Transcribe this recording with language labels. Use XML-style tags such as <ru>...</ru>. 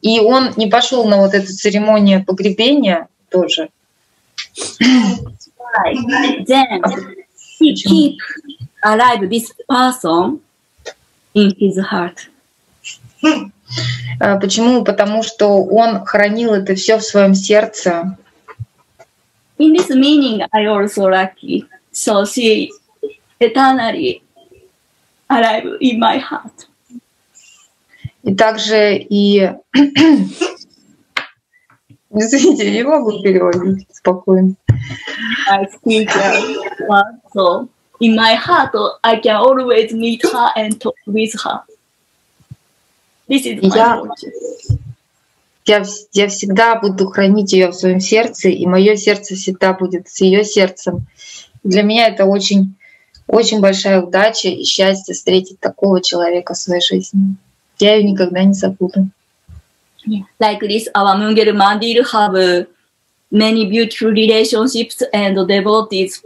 <ru>И он не пошел на вот эту церемонию погребения тоже.</ru> <en>Right. Then he keep alive this person in his heart.</en> <ru>Почему? Потому что он хранил это все в своем сердце.</ru> <en>In this meaning, I also lucky. So she eternally alive in my heart.</en> <ru>И также и извините, не могу переводить спокойно.</ru> <en>I speak so in my heart, I can always meet her and talk with her. This is my</en> <ru>Я всегда буду хранить ее в своем сердце, и мое сердце всегда будет с ее сердцем. Для меня это очень очень большая удача и счастье встретить такого человека в своей жизни. Я ее никогда не забуду.</ru> <en>Like this, our Munger Mandir have many beautiful relationships and devotees.</en>